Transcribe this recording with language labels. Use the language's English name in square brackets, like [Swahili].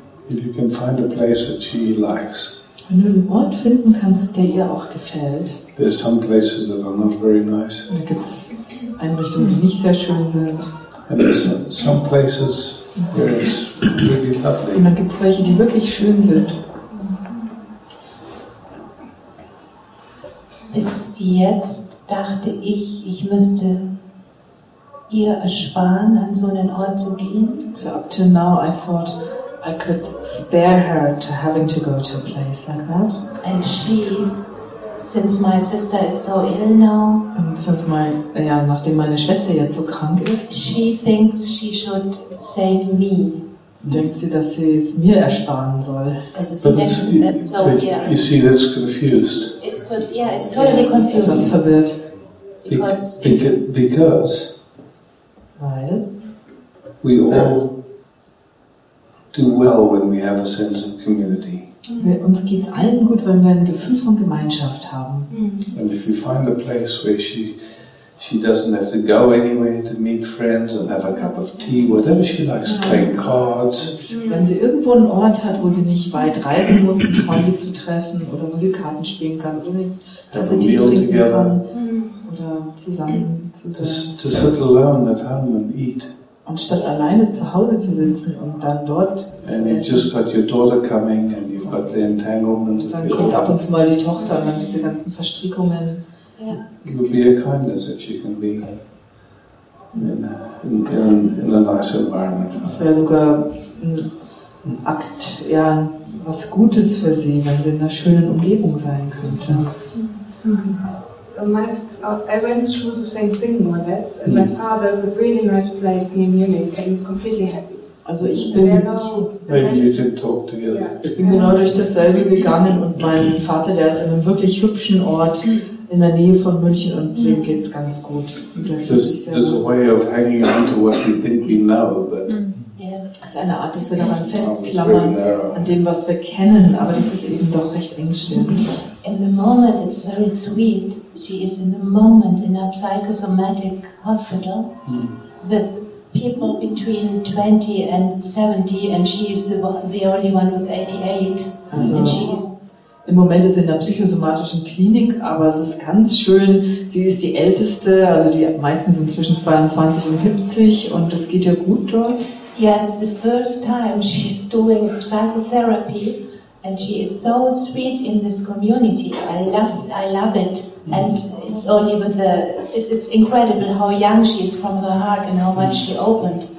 [English] If you can find a place that she likes. [German] Wenn du einen Ort finden kannst, der ihr auch gefällt. [English] There's some places that are not very nice. [German] Da gibt es Einrichtungen, die nicht sehr schön sind. [English] And there's some places where it's really lovely. [German] Und dann gibt es welche, die wirklich schön sind. Bis jetzt dachte ich, ich müsste ihr ersparen, an so einen Ort zu gehen. [English] So up to now I thought I could spare her to having to go to a place like that. And she, since my sister is so ill now. And since my, [German] ja, nachdem meine Schwester jetzt so krank ist. [English] She thinks she should save me. [German] Denkt sie, dass sie es mir ersparen soll. Also sie denkt, so [English] you see, that's confused. It's totally confused. [German] Das verwirrt. [English] Because we all do well when we have a sense of community. [German] Uns geht's allen gut, wenn wir ein Gefühl von Gemeinschaft haben. [English] And if you find a place where she doesn't have to go anywhere to meet friends and have a cup of tea, whatever she likes, playing cards. [German] Wenn sie irgendwo einen Ort hat, wo sie nicht weit reisen muss, um Freunde zu treffen oder wo sie Karten spielen kann, oder dass sie Tee trinken kann oder zusammen zu sein. [English] To sit alone at home and eat. [German] Anstatt alleine zu Hause zu sitzen und dann dort zu essen. [English] You've just got your daughter coming and you've got the entanglement. [German] Dann kommt ab und zu mal die Tochter und dann diese ganzen Verstrickungen. [English] It would be a kindness if she can be in a nice environment. [German] Es wäre sogar ein Akt, ja, was Gutes für sie, wenn sie in einer schönen Umgebung sein könnte. [English] I went through the same thing more or less. And my father is a really nice place here in Munich, and he's completely happy. [German] Also ich bin, [English] maybe you can talk together. [German] Ich bin genau durch dasselbe gegangen und mein Vater, der ist in einem wirklich hübschen Ort in der Nähe von München und dem geht es ganz gut. [English] There's a way of hanging on to what we think we know, but [German] es ist eine Art, dass wir daran festklammern, an dem, was wir kennen, aber das ist eben doch recht engstirnig. [English] In the moment it's very sweet. She is in the moment in a psychosomatic hospital with people between 20 and 70 and she is the only one with 88. [German] Also, [English] and she is, [German] im Moment ist sie in einer psychosomatischen Klinik, aber es ist ganz schön, sie ist die Älteste, also die meisten sind zwischen 22 und 70 und das geht ja gut dort. [English] Yeah, it's the first time she's doing psychotherapy and she is so sweet in this community. I love it. Mm-hmm. And it's only with the it's incredible how young she is from her heart and how much she opened.